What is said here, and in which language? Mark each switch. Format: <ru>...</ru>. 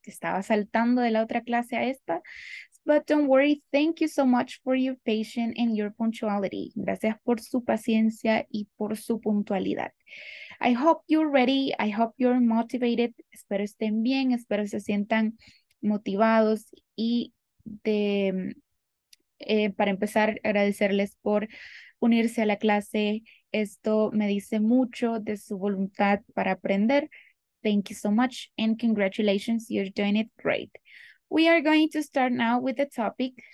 <es>Estaba saltando de la otra clase a esta.</es> <en>But don't worry. Thank you so much for your patience and your punctuality.</en> <es>Gracias por su paciencia y por su puntualidad.</es> <en>I hope you're ready. I hope you're motivated.</en> <es>Espero estén bien. Espero se sientan motivados y para empezar, agradecerles por unirse a la clase. Esto me dice mucho de su voluntad para aprender.</es> <en>Thank you so much and congratulations, you're doing it great. We are going to start now with the topic.</en>